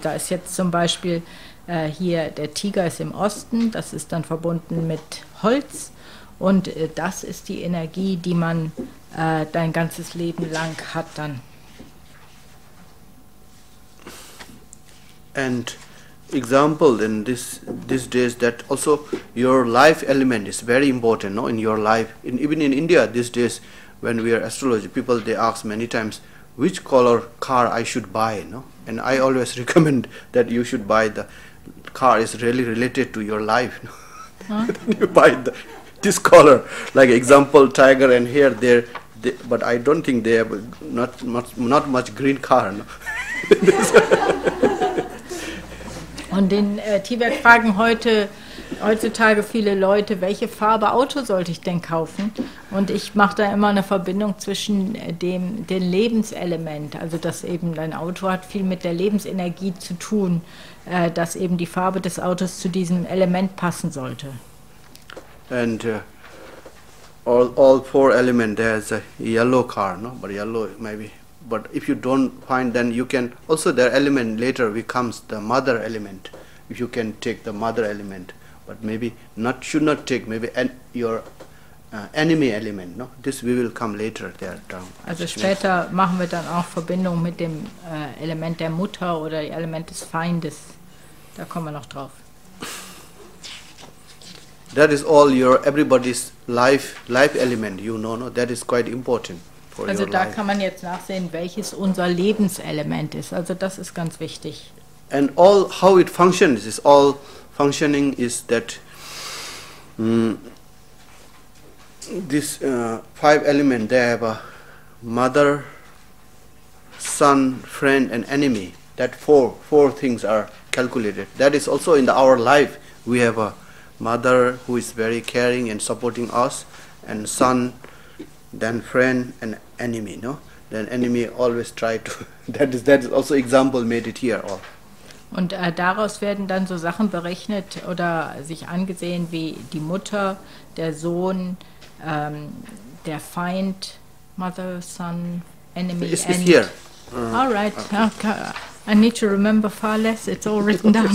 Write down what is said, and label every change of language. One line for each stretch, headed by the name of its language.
German: Da ist jetzt zum Beispiel hier der Tiger ist im Osten, das ist dann verbunden mit Holz. Und das ist die Energie, die man dein ganzes Leben lang hat dann.
English: And example in this days that also your life element is very important, no, in your life. In, even in India these days when we are astrology, people they ask many times which color car I should buy, no? And I always recommend that you should buy the car is really related to your life. No? Huh? You buy the this color, like example, tiger, and here, there, they, but I don't think they have not much green car. No?
German: Und in Tibet fragen heutzutage viele Leute, welche Farbe Auto sollte ich denn kaufen? Und ich mache da immer eine Verbindung zwischen dem Lebenselement, also dass eben dein Auto hat viel mit der Lebensenergie zu tun, dass eben die Farbe des Autos zu diesem Element passen sollte.
English: And all 4 elements, there's a yellow car, no? But yellow maybe. But if you don't find, then you can also the element later becomes the mother element. If you can take the mother element, but maybe not should not take maybe your enemy element. No, this we will come later there down.
German: Also später machen wir dann auch Verbindung mit dem Element der Mutter oder dem Element des Feindes. Da kommen wir noch drauf.
English: That is all your everybody's life element, you know, no? That is quite important for also your life.
German: Also da kann man jetzt nachsehen, welches unser Lebenselement ist. Also das ist ganz wichtig.
English: And all how it functions is all functioning is that this 5 element, they have a mother, son, friend and enemy. That 4 things are calculated. That is also in our life we have a mother who is very caring and supporting us, and son, then friend and enemy, no? Then enemy always try to that is also example made it here all.
German: Und daraus werden dann so Sachen berechnet oder sich angesehen wie die Mutter, der Sohn, der Feind,
English: mother, son, enemy, it's and here. All right. Okay. I need to remember far less, it's all written down.